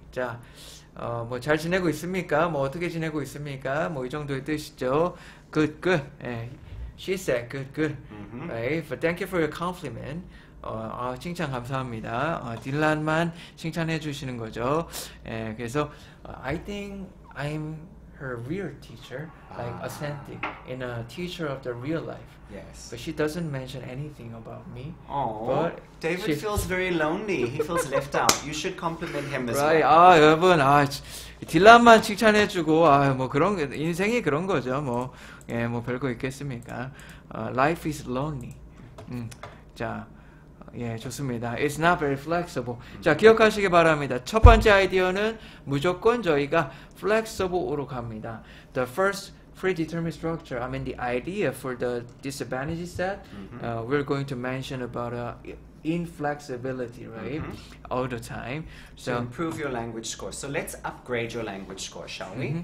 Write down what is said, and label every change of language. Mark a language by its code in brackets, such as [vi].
[ko] 자, 뭐 잘 지내고 있습니까? 뭐 어떻게 지내고 있습니까? 뭐 이 정도의 뜻이죠. [en] Good, good. 예. She said, good, good. Mm-hmm. Right? But thank you for your compliment. [ko] 칭찬 감사합니다. 딜란만 칭찬해 주시는 거죠. 예, 그래서, [en] I think I'm her real teacher, like authentic, in a teacher of the real life. Yes. But she doesn't mention anything about me. Oh, David feels very lonely. He feels left out. You should compliment him as right. well. Right. [ko] 여러분, 딜란만 칭찬해 주고, 뭐 그런, 인생이 그런 거죠. 뭐. 예, 뭐 별거 있겠습니까? [en] Life is lonely. [ko] 자, 예, 좋습니다. [en] It's not very flexible. [ko] 자, 기억하시기 바랍니다. 첫 번째 아이디어는 무조건 저희가 flexible로 갑니다. [en] The first predetermined structure, I mean the idea for the disadvantage set, we're going to mention about inflexibility, right? Mm-hmm. All the time. So improve your language score. So let's upgrade your language score, shall we?